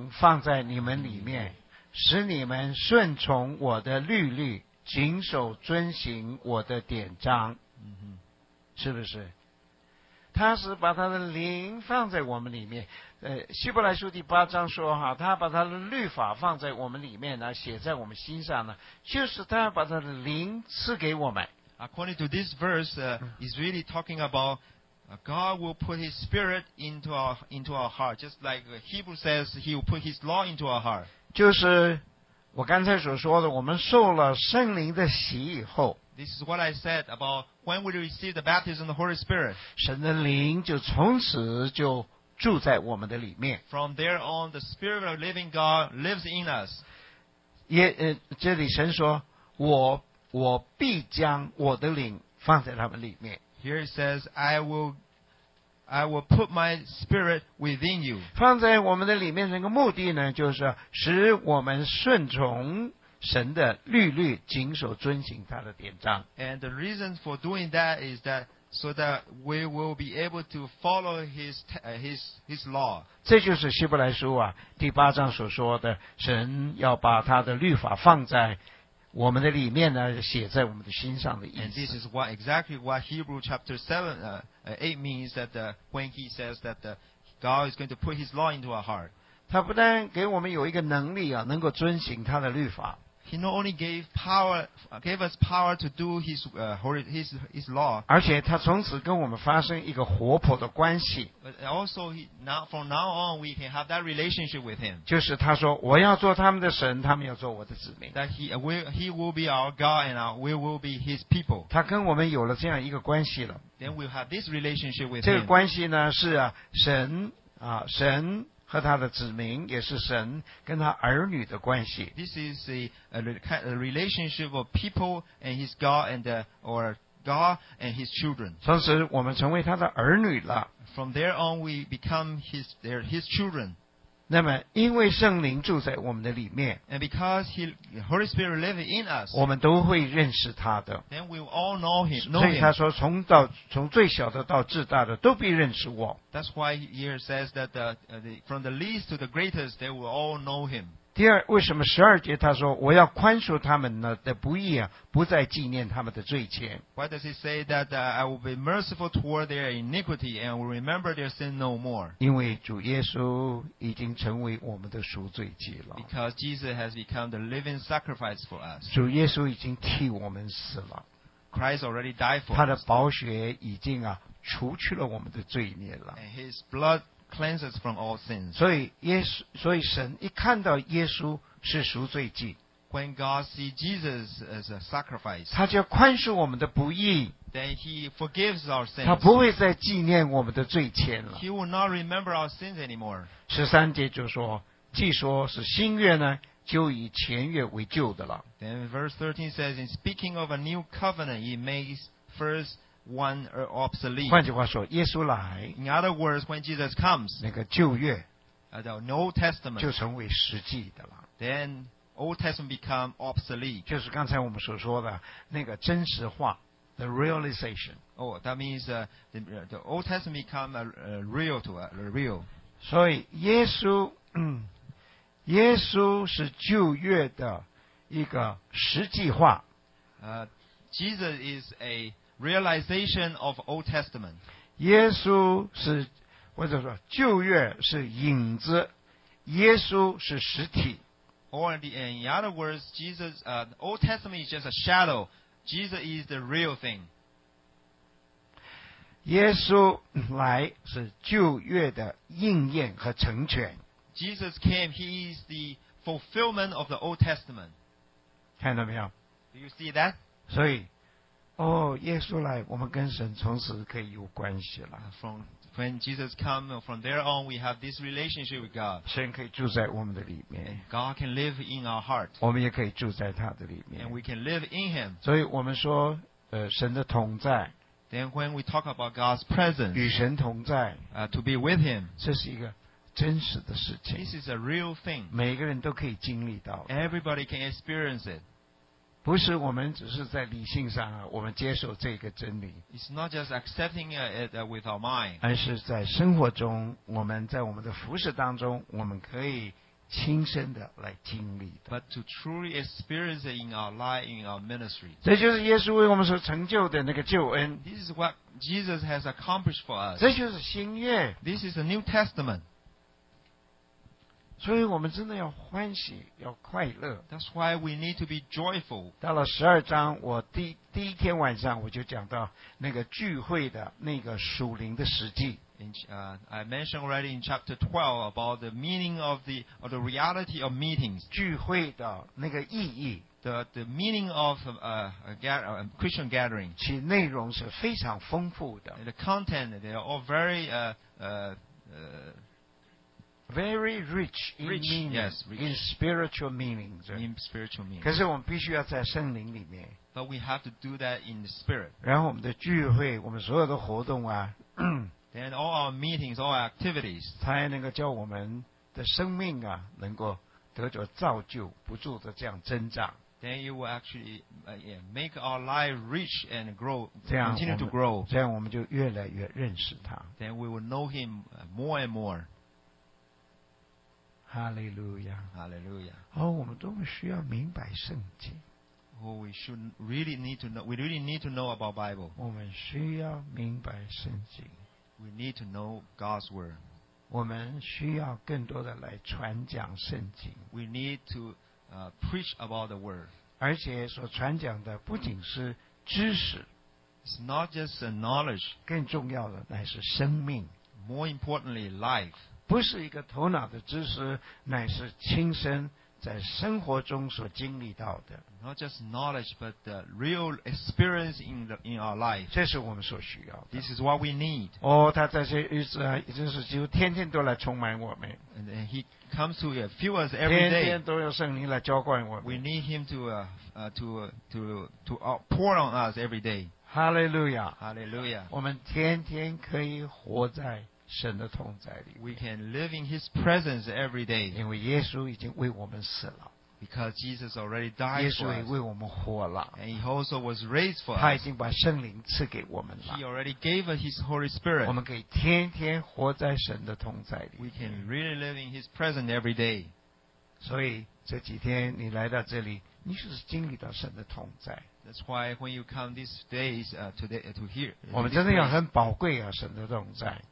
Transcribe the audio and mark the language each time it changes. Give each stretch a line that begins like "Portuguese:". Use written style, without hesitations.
Chinese: 我必将我的灵放在你们里面, 使你们顺从我的律例, 谨守遵行我的典章。是不是? 他是把他的灵放在我们里面, 希伯来书第八章说, 他把他的律法放在我们里面, 写在我们心上呢, 就是他把他的灵赐给我们。
English: According to this verse, it's really talking about God will put His Spirit into our heart, just like Hebrew says He will put His law into our heart.
Chinese: 就是我刚才所说的, 我们受了圣灵的洗以后,
English: this is what I said about when we receive the baptism of the Holy Spirit.
Chinese: 神的灵就从此就住在我们的里面。
English: From there on, the Spirit of living God lives in us.
Chinese: 这里神说, 我必将我的灵放在他们里面。
English: Here it says, I will put my spirit within you.
Chinese: 放在我们的里面的那个目的呢, 就是使我们顺从神的律律, 谨守遵行他的典章。
English: And the reason for doing that is that so that we will be able to follow his law.
Chinese: 这就是希伯来书啊第八章所说的，神要把他的律法放在我们的里面呢，写在我们的心上的意思。
English: And this is what exactly what Hebrew chapter 8 means, that when he says that God is going to put his law into our heart.
Chinese: 他不但给我们有一个能力啊，能够遵行他的律法。
English: He not only gave us power to do his law.
Chinese: 而且他从此跟我们发生一个活泼的关系。
English: But also from now on we can have that relationship with him.
Chinese: 就是他说我要做他们的神，他们要做我的子民。
English: That he will be our God and we will be his people.
Chinese: 他跟我们有了这样一个关系了。
English: Then we'll have this relationship with him.
Chinese: 这个关系呢是啊神啊神。和他的子民，也是神跟他儿女的关系。
English: This is a relationship of people and his God or God and his children.
Chinese: 从此我们成为他的儿女了。
English: From there on, we become his children.
Chinese: 那么，因为圣灵住在我们的里面
English: ，and because Holy Spirit lives in us，
Chinese: 我们都会认识他的。
English: Then we all know him.
Chinese: 所以他说，从最小的到至大的，都必认识我。
English: That's why he says that from the least to the greatest, they will all know him.
Chinese: 第二，为什么十二节他说我要宽恕他们呢的不义啊，不再纪念他们的罪孽
English: ？Why does he say that I will be merciful toward their iniquity and will remember their sin no more？
Chinese: 因为主耶稣已经成为我们的赎罪祭了。
English: Because Jesus has become the living sacrifice for us.
Chinese: 主耶稣已经替我们死了。
English: Christ already died for us.
Chinese: 他的宝血已经啊。除去了我们的罪孽了。
English: And his blood cleanses from all sins.
Chinese: 所以神一看到耶稣是赎罪祭，
English: When God sees Jesus as a sacrifice,
Chinese: 他就宽恕我们的不义，
English: Then he forgives our sins.
Chinese: 他不会再纪念我们的罪孽了。
English: He will not remember our sins anymore.
Chinese: 十三节就说，既说是新约呢，就以前约为旧的了。
English: Then verse 13 says, in speaking of a new covenant, he makes first one or obsolete.
Chinese: 换句话说，耶稣来。
English: In other words, when Jesus comes,
Chinese: 那个旧约
English: the Old Testament
Chinese: 就成为实际的了。
English: Then Old Testament become obsolete.
Chinese: 就是刚才我们所说的那个真实化
English: the realization. Oh, that means the Old Testament become real to us, real.
Chinese: 所以耶稣是旧约的一个实际化。
English: Jesus is a realization of Old Testament.
Chinese: 耶稣是或者说旧约是影子，耶稣是实体。
English: Or in other words, Jesus, Old Testament is just a shadow. Jesus is the real thing.
Chinese: 耶稣来是旧约的应验和成全。
English: Jesus came, he is the fulfillment of the Old Testament.
Chinese: 看到没有？
English: Do you see that?
Chinese: 所以耶稣来，我们跟神从此可以有关系了。
English: When Jesus comes, from there on, we have this relationship with God.
Chinese: 神可以住在我们的里面。
English: God can live in our heart.
Chinese: 我们也可以住在他的里面。
English: And we can live in Him.
Chinese: 所以我们说，神的同在。
English: Then when we talk about God's presence,
Chinese: 与神同在。
English: To be with Him.
Chinese: 这是一个真实的事情。
English: This is a real thing.
Chinese: 每个人都可以经历到。
English: Everybody can experience it.
Chinese: 不是我们只是在理性上啊，我们接受这个真理。
English: It's not just accepting it with our mind.
Chinese: 而是在生活中，我们在我们的服事当中，我们可以亲身的来经历的。
English: But to truly experience it in our life, in our ministry.
Chinese: 这就是耶稣为我们所成就的那个救恩。
English: This is what Jesus has accomplished for us.
Chinese: 这就是新约。
English: This is the New Testament.
Chinese: 所以我们真的要欢喜，要快乐。
English: That's why we need to be joyful.
Chinese: 到了十二章，我第一天晚上我就讲到那个聚会的那个属灵的实际。
English: I mentioned already in chapter 12 about the meaning of the reality of meetings.
Chinese: 聚会的那个意义。
English: The meaning of a Christian gathering.
Chinese: 其内容是非常丰富的。
English: The content, they are all very, Very rich in rich, meaning, yes, rich. In spiritual meanings. In spiritual meanings.
Chinese: 可是我们必须要在圣灵里面。
English: But we have to do that in the spirit.
Chinese: 然后我们的聚会，我们所有的活动啊。
English: Then all our meetings, all our activities.
Chinese: 才能够叫我们的生命啊，能够得着造就，不住的这样增长。
English: then you will actually make our life rich and grow, continue to grow.
Chinese: 这样我们就越来越认识他。
English: Then we will know him more and more. Hallelujah. Hallelujah.
Chinese: 哦，我们多么需要明白圣经。
English: Oh, we should really need to know. We really need to know about Bible.
Chinese: 我们需要明白圣经。
English: We need to know God's word.
Chinese: 我们需要更多的来传讲圣经。
English: We need to preach about the word.
Chinese: 而且所传讲的不仅是知识。
English: It's not just a knowledge.
Chinese: 更重要的乃是生命。
English: More importantly, life.
Chinese: 不是一个头脑的知识，乃是亲身在生活中所经历到的。
English: Not just knowledge, but the real experience in our life.
Chinese: 这是我们所需要的。
English: This is what we need.
Chinese: 哦，他在这日子啊，真是几乎天天都来充满我们。
English: And then he comes to fill us every day.
Chinese: 天天都有圣灵来浇灌我们。
English: We need him to pour on us every day. Hallelujah. Hallelujah.
Chinese: 我们天天可以活在神的同在里。
English: We can live in his presence every day.
Chinese: 因为耶稣已经为我们死了。
English: Because Jesus already died for us.
Chinese: 耶稣也为我们活了。
English: And he also was raised for us.
Chinese: 他已经把圣灵赐给我们了。
English: He already gave us his Holy Spirit.
Chinese: 我们可以天天活在神的同在里。
English: We can really live in his presence every day.
Chinese: 所以这几天你来到这里，你就是经历到神的同在。
English: That's why when you come these days, today, to here.
Chinese: 我们真的要很宝贵啊，神的同在。